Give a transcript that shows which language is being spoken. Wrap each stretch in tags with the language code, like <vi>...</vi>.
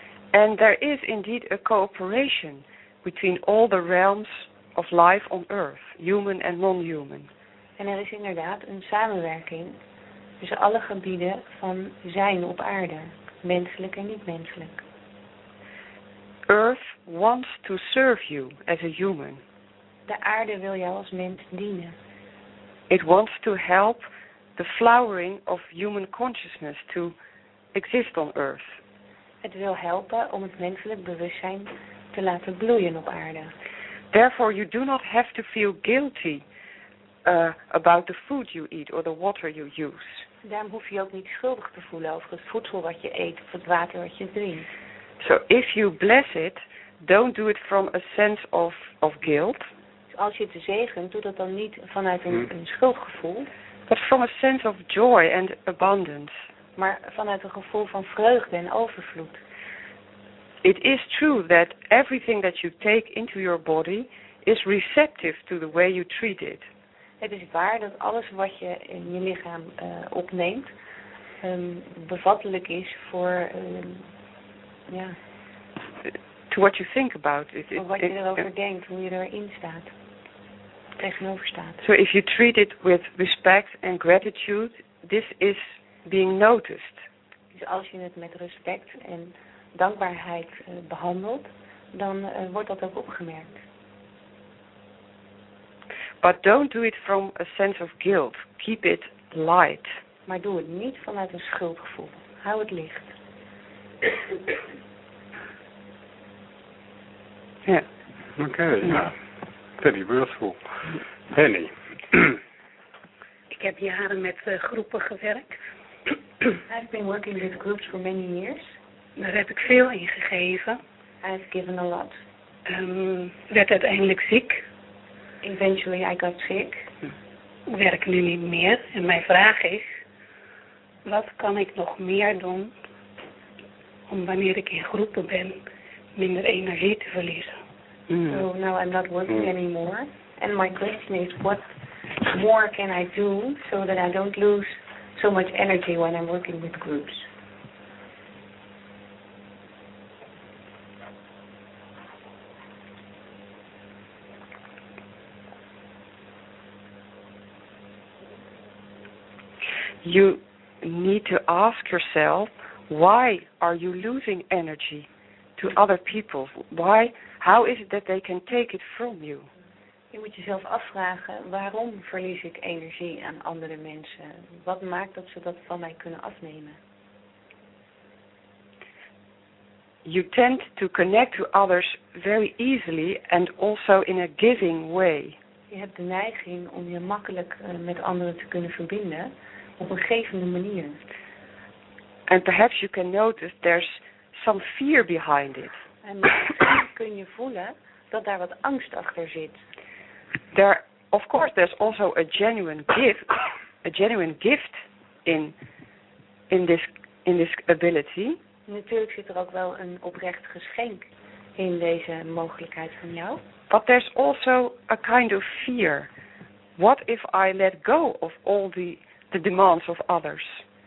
<en>And there is indeed a cooperation between all the realms of life on Earth, human and non-human.</en> <nl>En er is inderdaad een samenwerking tussen alle gebieden van zijn op aarde, menselijk en niet-menselijk.</nl> <en>Earth wants to serve you as a human.</en> <nl>De aarde wil jou als mens dienen.</nl> <en>It wants to help the flowering of human consciousness to exist on Earth.</en> <nl>Het wil helpen om het menselijk bewustzijn te laten bloeien op aarde.</nl> <en>Therefore you do not have to feel guilty about the food you eat or the water you use.</en> <nl>Daarom hoef je ook niet schuldig te voelen over het voedsel wat je eet of het water wat je drinkt.</nl> <en>So if you bless it, don't do it from a sense of guilt.</en> <nl>Als je het zegent, doe dat dan niet vanuit een schuldgevoel.</nl> <en>But from a sense of joy and abundance.</en> <nl>Maar vanuit een gevoel van vreugde en overvloed.</nl> <en>It is true that everything that you take into your body is receptive to the way you treat it.</en> <nl>Het is waar dat alles wat je in je lichaam opneemt bevattelijk is voor</nl> <en>to what you think about it.</en> <nl>Of wat je erover denkt, hoe je erin staat, tegenover staat.</nl> <en>So if you treat it with respect and gratitude, this is being noticed.</en> <nl>Dus als je het met respect en dankbaarheid behandelt, dan wordt dat ook opgemerkt.</nl> <en>But don't do it from a sense of guilt. Keep it light.</en> <nl>Maar doe het niet vanuit een schuldgevoel. Hou het licht. Ja.</nl> <en>Okay. Teddy, beautiful. Henny.</en> <nl>Ik heb jaren met groepen gewerkt.</nl> <en>I've been working with groups for many years.</en> <nl>Daar heb ik veel in gegeven.</nl> <en>I've given a lot.</en> <nl>Werd uiteindelijk ziek.</nl> <en>Eventually I got sick.</en> <nl>Werk nu niet meer. En mijn vraag is, wat kan ik nog meer doen om wanneer ik in groepen ben minder energie te verliezen?</nl> <en>Mm. So now I'm not working anymore. And my question is, what more can I do so that I don't lose so much energy when I'm working with groups? You need to ask yourself, why are you losing energy to other people? Why? How is it that they can take it from you?</en> <nl>Je moet jezelf afvragen, waarom verlies ik energie aan andere mensen? Wat maakt dat ze dat van mij kunnen afnemen?</nl> <en>You tend to connect to others very easily and also in a giving way.</en> <nl>Je hebt de neiging om je makkelijk met anderen te kunnen verbinden. Op een gevende manier.</nl> <en>And perhaps you can notice there's some fear behind it.</en> <nl>En misschien kun je voelen dat daar wat angst achter zit.</nl> <en>There, of course, there's also a genuine gift. a genuine gift in this ability.</en> <nl>Natuurlijk zit er ook wel een oprecht geschenk in deze mogelijkheid van jou.</nl> <en>But there's also a kind of fear. What if I let go of all the demands of others?</en>